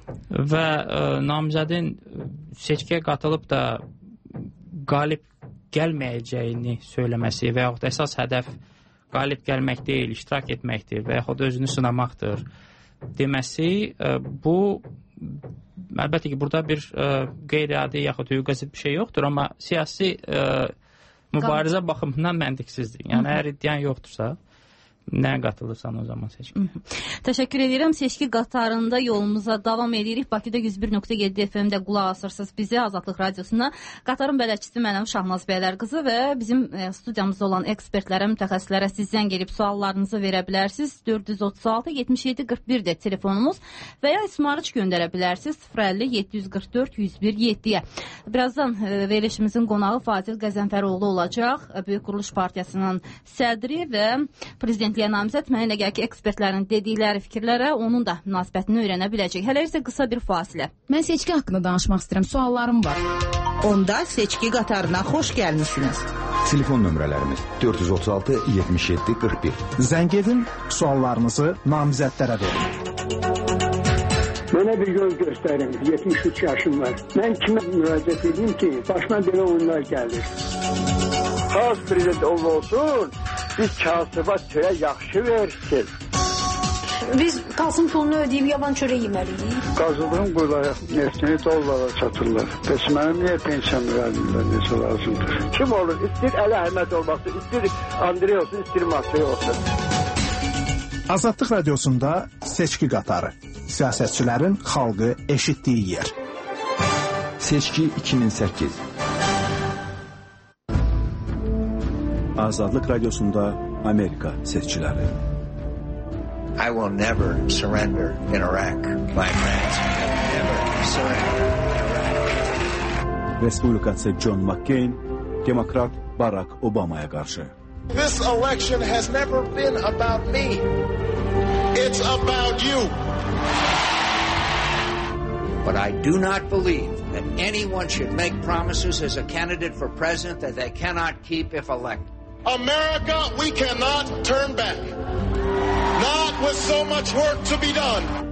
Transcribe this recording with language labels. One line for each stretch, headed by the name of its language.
Azerbaijani: Və namizədin seçkiyə qatılıb da qalib gəlməyəcəyini söyləməsi və yaxud əsas hədəf qalib gəlmək deyil, iştirak etməkdir və yaxud özünü sınamaqdır deməsi, bu əlbəttə ki, burada bir qeyri-adi yaxud hüquqa zidd bir şey yoxdur, amma siyasi mübarizə baxımından məntiqsizdir. Yəni, əgər iddian yoxdursa, nə qatılırsan o zaman seçki. Təşəkkür edirəm. Seçki qatarında yolumuza davam edirik. Bakıda 101.7 FM-də qulaq asırsınız bizi Azadlıq Radiosuna. Qatarın bələdçisi mənəm Şahnaz Bəylər qızı və bizim studiyamızda olan ekspertlərə, mütəxəssislərə siz zəng edib suallarınızı verə bilərsiniz. 436-77-41-də telefonumuz və ya ismarıç göndərə bilərsiniz 050-744-101-7-yə. Birazdan verilişimizin qonağı Fazil Qəzənfəroğlu olacaq. Böyük Quruluş Partiyasının sədri və prezidentliyə namizəd, mənə elə gəlir ki, ekspertlərin dedikləri fikirlərə onun da münasibətini öyrənə biləcək. Hələ isə qısa bir fasilə. Mən seçki haqqında danışmaq istəyirəm, suallarım var. Onda seçki qatarına xoş gəlmişsiniz. Telefon nömrələrimiz 436-77-41. Zəng edin, suallarınızı namizədlərə verin. Mənə bir göz göstərin, 73 yaşım var. Mən kimə müraciət edeyim ki, başıma belə oyunlar gəlir. Xalq prezident olsun, biz kasıba çörə yaxşı versin. Biz qalsın pulunu ödəyib yaban çörə yeməliyik. Qazıldığım qoylara neftini dollara çatırlar. Bəs mənim niyə pensiyam verəlimdən necə lazımdır? Kim olur? İstir Əli Əhməd olmasın, istir Andrey olsun, istir Masay olsun. Azadlıq Radiosunda Seçki Qatarı. Siyasətçilərin xalqı eşitdiyi yer. Seçki 2008. Azadlıq Radiosunda Amerika Seçkiləri.
English: I will never surrender in Iraq. My friends, never surrender.
Azerbaijani: Respublikacı John McCain, Demokrat Barack Obama'ya karşı.
English: This election has never been about me. It's about you. But I do not believe that anyone should make promises as a candidate for president that they cannot keep if elected. America, we cannot turn back. Not with so much work to be done.